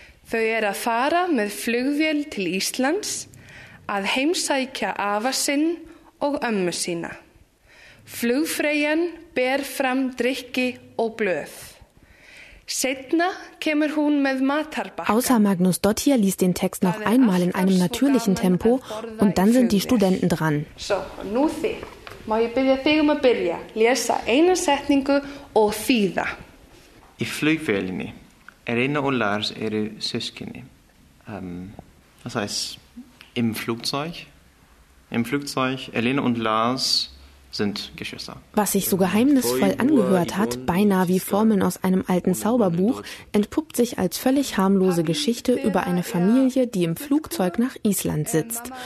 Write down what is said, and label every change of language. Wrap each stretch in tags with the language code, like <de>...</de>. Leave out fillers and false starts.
<is>Þau eru að fara með flugvél til Íslands að heimsækja afa sinn og ömmu sína. Flugfreyjan ber fram drykki og blöð. Seinna kemur hún með matarbakka.</is> <de>Ása Magnús Dóttir liest den Text noch einmal in einem natürlichen Tempo und dann sind die Studenten dran.</de> <is>So, nú þið. Má ég byrja þig að byrja? Lesa eina setningu og þýða. Í flugvélinni. Elena und Lars eru Süskini.</is> <de>Das heißt, im Flugzeug, Elena und Lars sind Geschwister. Was sich so geheimnisvoll angehört hat, beinahe wie Formeln aus einem alten Zauberbuch, entpuppt sich als völlig harmlose Geschichte über eine Familie, die im Flugzeug nach Island sitzt.</de>